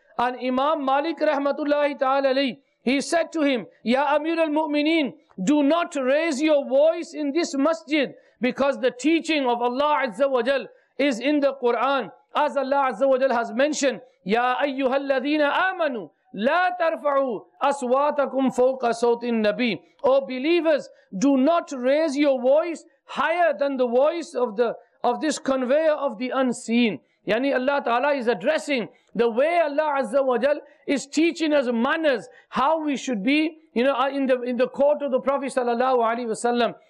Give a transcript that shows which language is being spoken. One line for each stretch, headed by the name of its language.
English: And Imam Malik rahmatullahi ta'ala alayhi, he said to him,
Arabic: Ya Amir al-Mu'mineen,
English: do not raise your voice in this masjid, because the teaching of Allah Azza wa Jal is in the Quran. As Allah Azza wa Jal has mentioned,
Arabic: Ya ayyuhal ladhina amanu, لا ترفعوا أصواتكم فوق صوت النبي.
English: O believers, do not raise your voice higher than the voice of the of this conveyor of the unseen. Yani Allah Ta'ala is addressing the way Allah Azza wa Jal is teaching us manners, how we should be, you know, in the court of the Prophet Sallallahu Alaihi Wasallam.